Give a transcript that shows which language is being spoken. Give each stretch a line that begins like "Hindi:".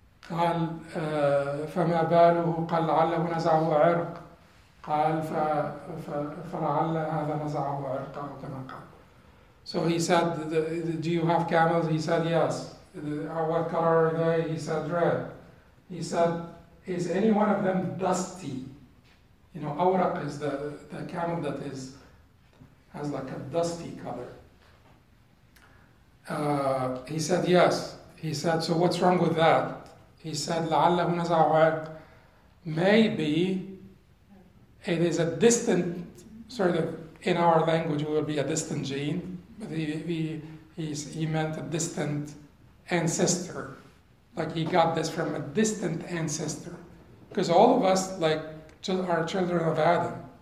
Arabic: قال فما باله قال لعله نزعه عرق قال فلعل هذا نزعه عرق أو كما قال.
English: So he said, do you have camels? He said, yes. What color are they? He said, red. He said, is any one of them dusty? You know, awraq is the camel that is has like a dusty color. He said, yes. He said, so what's wrong with that? He said,
Arabic: لَعَلَّهُ نَزَعُ عَرْقٍ.
English: Maybe it is a distant, sort of, in our language, it would be a distant gene. But he meant a distant ancestor. Like he got this from a distant ancestor. Because all of us, like, are children of Adam.